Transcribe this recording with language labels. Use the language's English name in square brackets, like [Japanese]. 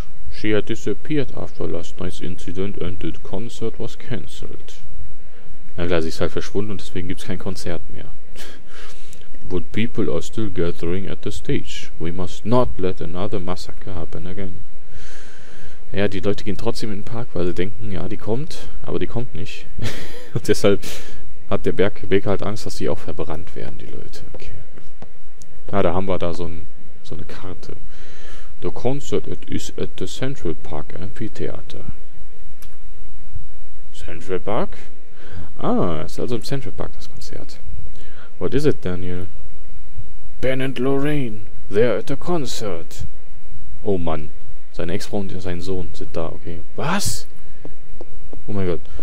[English] She had disappeared after last night's incident and the concert was cancelled. [German] Na klar, sie ist halt verschwunden und deswegen gibt's kein Konzert mehr. [English] But people are still gathering at the stage. We must not let another massacre happen again. [German] Ja, die Leute gehen trotzdem in den Park, weil sie denken, ja, die kommt, aber die kommt nicht. Und deshalb hat der Berg halt Angst, dass sie auch verbrannt werden, die Leute. Okay. Na, da haben wir da so eine Karte. [English] The concert is at the Central Park Amphitheater. Central Park? [German] Ah, ist also im Central Park das Konzert. [English] What is it, Daniel? Ben and Lorraine, they're at the concert. [German] Oh Mann, seine Ex-Frau und sein Sohn sind da, okay. Was? Oh mein Gott.